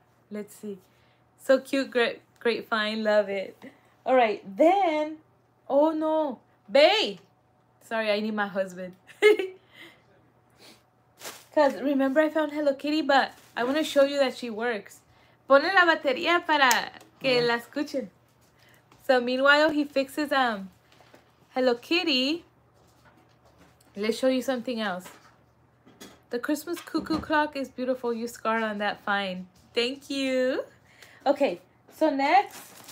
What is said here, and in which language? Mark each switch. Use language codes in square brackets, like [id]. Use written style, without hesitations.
[en] Let's see. So cute, great find, love it. All right, then, oh no, babe. Sorry, I need my husband. Because remember I found Hello Kitty, but I want to show you that she works. [es] Pone la batería para que la escuchen. [en] So meanwhile, he fixes Hello Kitty. Let's show you something else. The Christmas cuckoo clock is beautiful. You scarred on that fine. Thank you. Okay, so next.